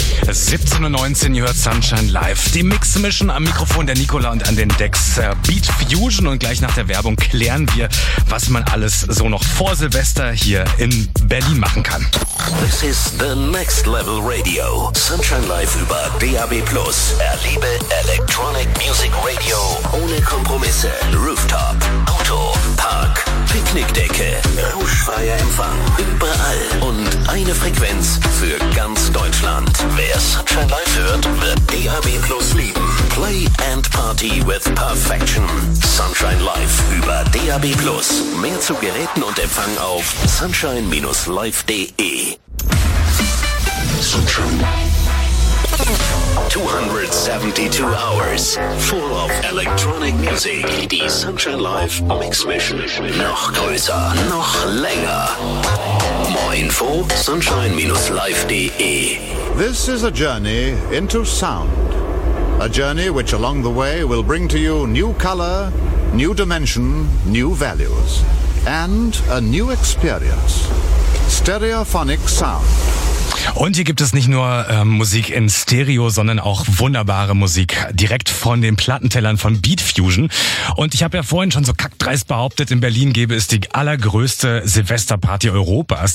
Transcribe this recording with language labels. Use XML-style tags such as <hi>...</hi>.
<de>17 und 19, ihr hört Sunshine Live. Die Mix-Mission am Mikrofon der Nicola und an den Decks Beat Fusion. Und gleich nach der Werbung klären wir, was man alles so noch vor Silvester hier in Berlin machen kann.</de> <en>This is the Next Level Radio.</en> <de>Sunshine Live über DAB+. Erlebe Electronic Music Radio ohne Kompromisse. Rooftop, Auto, Park, Picknickdecke, rauschfreier Empfang. Überall und eine Frequenz für ganz Deutschland. Wer Sunshine Live hört, wird DAB Plus lieben.</de> <en>Play and party with perfection.</en> <de>Sunshine Live über DAB Plus. Mehr zu Geräten und Empfang auf sunshine-live.de. Sunshine.</de> <en>272 hours full of electronic music.</en> <de>Die Sunshine Live Mix Mission. Noch größer, noch länger.</de> <en>More info, sunshine-live.de. This is a journey into sound. A journey which along the way will bring to you new color, new dimension, new values. And a new experience. Stereophonic sound.</en> <de>Und hier gibt es nicht nur Musik in Stereo, sondern auch wunderbare Musik direkt von den Plattentellern von Beat Fusion. Und ich habe ja vorhin schon so kackdreist behauptet, in Berlin gäbe es die allergrößte Silvesterparty Europas.</de>